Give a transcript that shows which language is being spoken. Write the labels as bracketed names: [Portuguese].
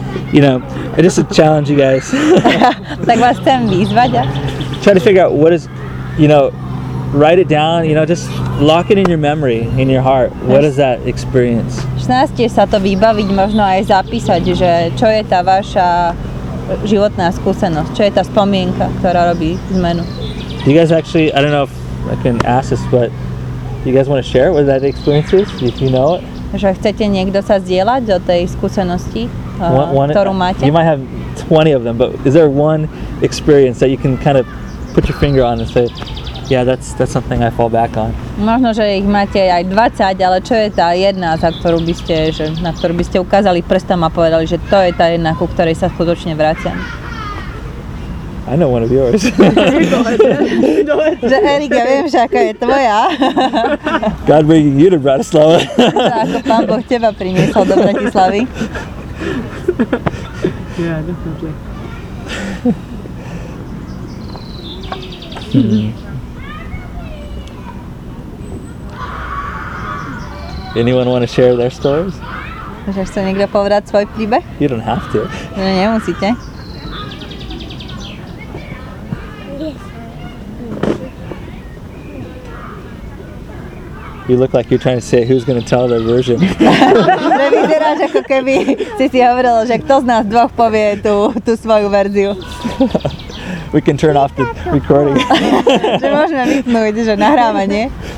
[English] You know, I just challenge you guys. Like, what's 10 V's, try to figure out what is, you know, write it down, you know, just lock it in your memory, in your heart. What is that experience? [Slovak] Snažte sa to vybaviť, možno aj zapísať, že čo je tá vaša životná skúsenosť, čo je tá spomienka, ktorá robí zmenu. [English] You guys actually, I don't know if I can ask this, but you guys want to share what that experience is, if you know it? [Slovak] Že chcete niekto sa zdieľať o tej skúsenosti, ktorú máte? [English] You might have 20 of them, but is there one experience that you can kind of put your finger on and say, yeah, that's something I fall back on? [Slovak] Možno, že ich máte aj 20, ale čo je tá jedna, za ktorú by ste, že, na ktorú by ste ukázali prstom a povedali, že to je tá jedna, ku ktorej sa skutočne vraciam? [English] I know one of yours. [Slovak] Že Erik, ja viem, že aká je tvoja. [English] God bringing you to Bratislava. [Slovak] Ako Pán Boh teba priniesol do Bratislavy. [English] Yeah, definitely. Anyone want to share their stories? [Slovak] Môžeš sa niekto povedať svoj príbeh? [English] You don't have to. [Slovak] No, nemusíte. [English] You look like you're trying to say who's going to tell their version. [Slovak] Že vyzeráš, ako keby si si hovoril, že kto z nás dvoch povie tú svoju verziu. [English] We can turn off the recording. [Slovak] Že môžeme vypnúť, že nahrávanie.